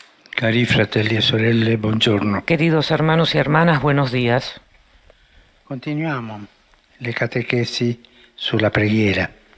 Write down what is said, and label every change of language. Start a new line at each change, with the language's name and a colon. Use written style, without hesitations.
Italian: Cari, fratelli e sorelle, buongiorno.
Spanish: Queridos hermanos y hermanas, buenos días.
Italian: Continuiamo le catechesi sulla preghiera.